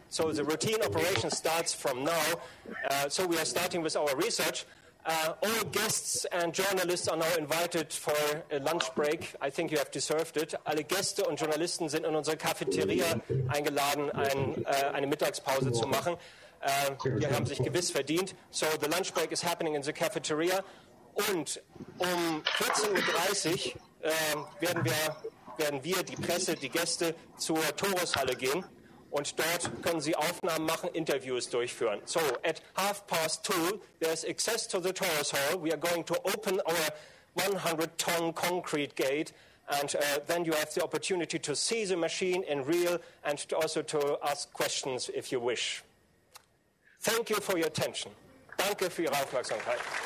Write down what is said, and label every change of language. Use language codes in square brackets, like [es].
[en] So the routine operation starts from now. So we are starting with our research. All guests and journalists are now invited for a lunch break. I think you have deserved it. [de] Alle Gäste und Journalisten sind in unsere Cafeteria eingeladen, eine Mittagspause zu machen. Die haben sich gewiss verdient. [en] So the lunch break is happening in the cafeteria. [de] Und um 14:30 Uhr werden wir, die Presse, die Gäste, zur Torushalle gehen. Und dort können Sie Aufnahmen machen, Interviews durchführen. [en] So, at 2:30, there's access to the Taurus Hall. We are going to open our 100-ton concrete gate, and then you have the opportunity to see the machine in real and to also to ask questions if you wish. Thank you for your attention. [de] Danke für Ihre Aufmerksamkeit.